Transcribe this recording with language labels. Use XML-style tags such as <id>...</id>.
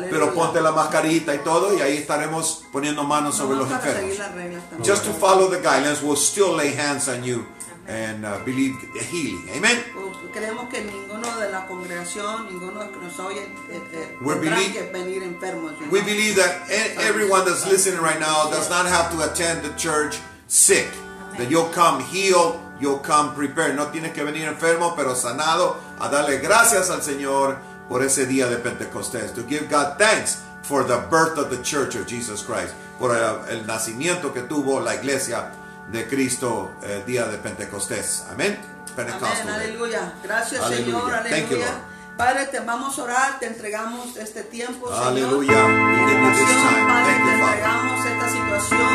<es>Pero ponte la mascarita y todo, y ahí estaremos poniendo manos sobre los enfermos.</es> <en>Just to follow the guidelines, we'll still lay hands on you and believe the healing. Amen.</en> <es>Creemos que ninguno de la congregación, ninguno que nos oye, tendrá que venir enfermo.</es> <en>We believe that everyone that's listening right now does not have to attend the church sick. That you'll come healed. You'll come prepared.</en> <es>No tienes que venir enfermo, pero sanado, a darle gracias al Señor por ese día de Pentecostés.</es> <en>To give God thanks for the birth of the Church of Jesus Christ.</en> <es>Por el nacimiento que tuvo la iglesia de Cristo el día de Pentecostés. Amén. Pentecostal. Amén. Aleluya. Gracias, aleluya. Señor. Aleluya.</es> <en>Thank you, Lord.</en> <es>Padre, te vamos a orar. Te entregamos este tiempo, Señor. Aleluya. Padre, te entregamos esta situación.</es>